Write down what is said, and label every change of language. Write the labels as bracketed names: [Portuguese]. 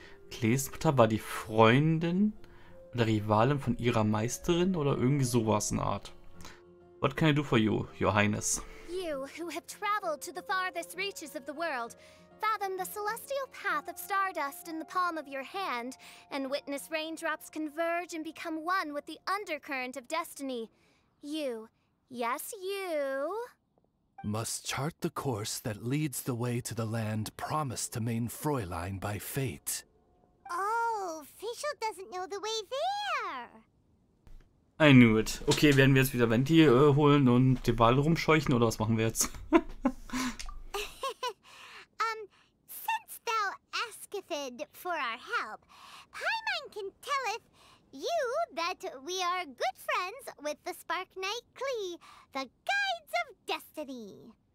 [German] Klees Mutter war die Freundin oder Rivalin von ihrer Meisterin oder irgendwie sowas in Art. [English] What can I do for you, Your Highness? You, who have traveled to the farthest reaches of the world, fathom the celestial path of stardust in the palm of your hand, and witness raindrops converge and become one with the undercurrent of destiny. You, yes, you, must chart the course that leads the way to the land promised to [German] Main Fräulein [English] by fate. Oh, Fischl doesn't know the way there. I knew it. [German] Okay, werden wir jetzt wieder Venti holen und den Ball rumscheuchen, oder was machen wir jetzt? [English] since thou asketh for our help, Paimon can telleth you that we are good friends with the Spark Knight Klee, the Guides of Destiny.